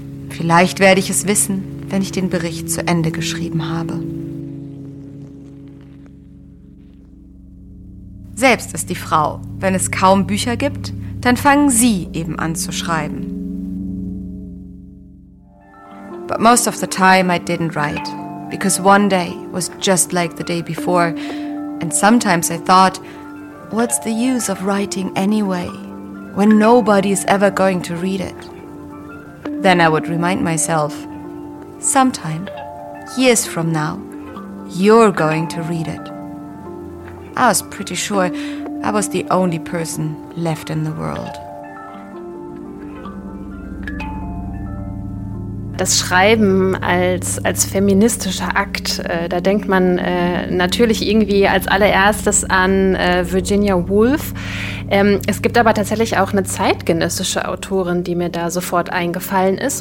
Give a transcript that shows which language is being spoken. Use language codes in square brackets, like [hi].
[de] Vielleicht werde ich es wissen, wenn ich den Bericht zu Ende geschrieben habe. Selbst ist die Frau. Wenn es kaum Bücher gibt, dann fangen sie eben an zu schreiben. [en] But most of the time I didn't write, because one day was just like the day before, and sometimes I thought, what's the use of writing anyway, when nobody is ever going to read it? Then I would remind myself, sometime, years from now, you're going to read it. I was pretty sure I was the only person left in the world. [de] Das Schreiben als feministischer Akt, da denkt man natürlich irgendwie als allererstes an Virginia Woolf. Es gibt aber tatsächlich auch eine zeitgenössische Autorin, die mir da sofort eingefallen ist.